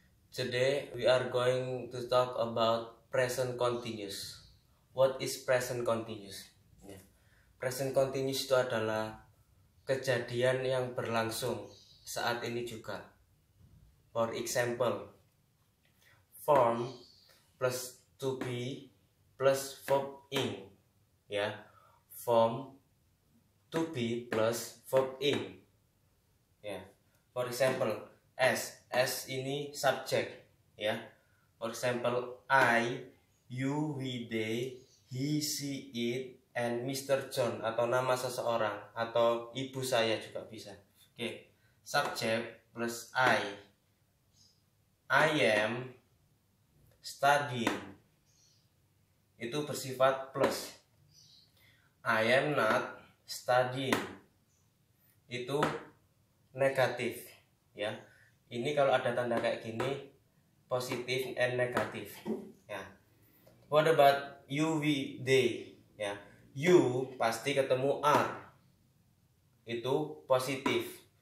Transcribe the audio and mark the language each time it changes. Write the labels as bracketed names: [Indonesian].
[English] Today we are going to talk about present continuous. What is present continuous? [Indonesian] Present continuous itu adalah kejadian yang berlangsung saat ini juga. [English] For example, form plus to be plus verb ing. Form to be plus verb ing. For example, s [Indonesian] ini [English] subject, For example, I, you, we, they, he, she, it, and Mr. [Indonesian] John, atau nama seseorang, atau ibu saya juga bisa. [English] Subject plus I am studying. [Indonesian] Itu bersifat plus. [English] I am not studying, [Indonesian] itu negatif, ini kalau ada tanda kayak gini, positif and negatif, [English] What about you, we, they, [Indonesian] You pasti ketemu are, itu positif.